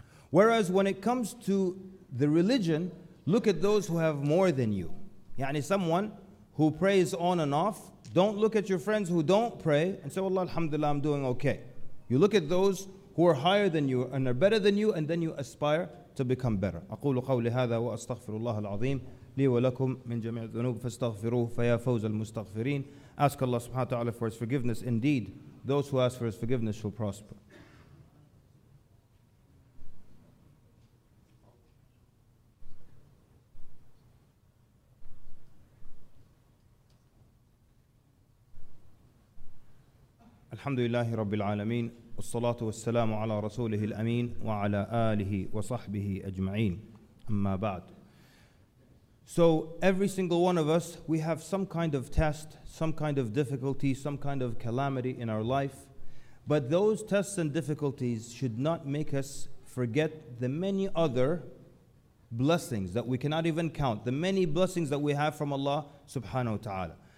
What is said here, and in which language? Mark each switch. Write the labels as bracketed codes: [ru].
[en] Whereas when it comes to the religion, look at those who have more than you. Yani someone who prays on and off, don't look at your friends who don't pray and say, "Allah, alhamdulillah, I'm doing okay." You look at those who are higher than you and are better than you, and then you aspire to become better. [ar] أقول قولي هذا وأستغفر الله العظيم لي ولكم من جميع الذنوب فاستغفروه فيا فوز المستغفرين. [en] Ask Allah subhanahu wa ta'ala for his forgiveness. Indeed, those who ask for his forgiveness shall prosper. [ar] Alhamdulillah. الحمد لله رب العالمين والصلاة والسلام على رسوله الأمين وعلى آله وصحبه أجمعين أما بعد. [en] So every single one of us, we have some kind of test, some kind of difficulty, some kind of calamity in our life. But those tests and difficulties should not make us forget the many other blessings that we cannot even count, the many blessings that we have from Allah subhanahu wa ta'ala.